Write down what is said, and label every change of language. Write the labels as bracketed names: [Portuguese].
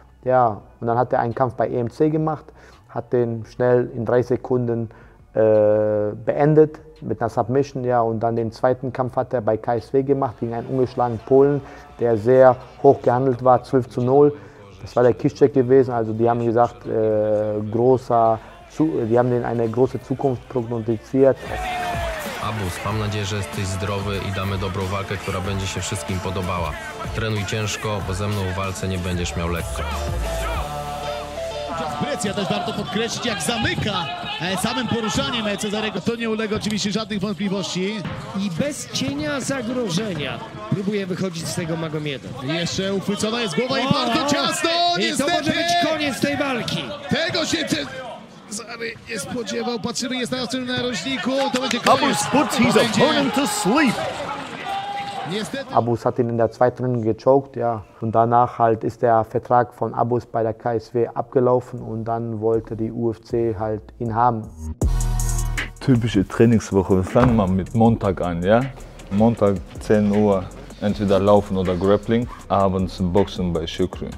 [German] Ja, und dann hat er einen Kampf bei EMC gemacht, hat den schnell in 3 Sekunden beendet mit einer Submission, ja, und dann den zweiten Kampf hat er bei KSW gemacht gegen einen ungeschlagenen Polen, der sehr hoch gehandelt war, 12-0. Das war der Kischek gewesen, also die haben gesagt, die haben den eine große Zukunft prognostiziert. [Polish] Abus, mam nadzieję, że jesteś zdrowy i damy dobrą walkę, która będzie się wszystkim podobała. Trenuj ciężko, bo ze mną w walce nie będziesz miał lekko. Presja też warto podkreślić, jak zamyka samym poruszaniem Cezarego. To nie ulega oczywiście żadnych wątpliwości. I bez cienia zagrożenia próbuje wychodzić z tego Magomieda. Jeszcze uchwycona jest głowa i bardzo ciasno, niestety. I to może być koniec tej walki. Tego się Cezary nie spodziewał. Patrzymy, jest na tym narożniku. To będzie koniec. [English] Abus puts his opponent to sleep. [German] Abus hat ihn in der zweiten Runde gechoked, ja. Und danach halt ist der Vertrag von Abus bei der KSW abgelaufen und dann wollte die UFC halt ihn haben. Typische Trainingswoche, wir fangen mal mit Montag an, ja? Montag 10 Uhr, entweder Laufen oder Grappling, abends Boxen bei Shukri.